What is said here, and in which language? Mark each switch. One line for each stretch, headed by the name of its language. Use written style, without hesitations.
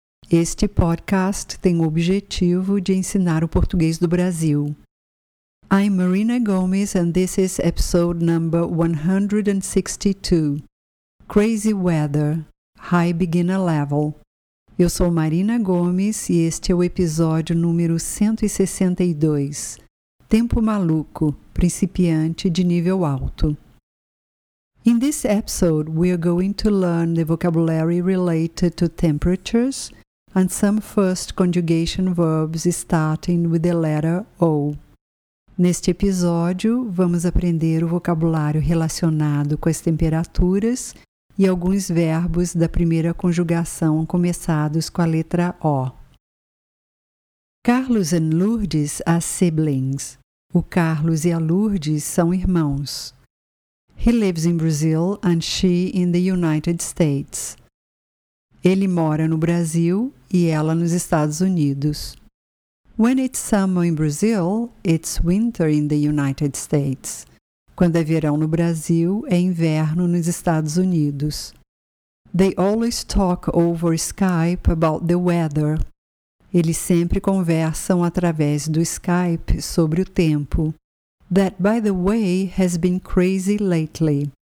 Portuguese: Este podcast tem o objetivo de ensinar o português do Brasil.
English: I'm Marina Gomes and this is episode number 162. Crazy Weather, High Beginner Level.
Portuguese: Eu sou Marina Gomes e este é o episódio número 162. Tempo Maluco, Principiante de Nível Alto.
English: In this episode, we are going to learn the vocabulary related to temperatures and some first conjugation verbs starting with the letter O.
Portuguese: Neste episódio, vamos aprender o vocabulário relacionado com as temperaturas e alguns verbos da primeira conjugação começados com a letra O.
English: Carlos and Lourdes are siblings.
Portuguese: O Carlos e a Lourdes são irmãos.
English: He lives in Brazil and she in the United States.
Portuguese: Ele mora no Brasil e ela nos Estados Unidos.
English: When it's summer in Brazil, it's winter in the United States.
Portuguese: Quando é verão no Brasil, é inverno nos Estados Unidos.
English: They always talk over Skype about the weather.
Portuguese: Eles sempre conversam através do Skype sobre o tempo.
English: That, by the way, has been crazy lately.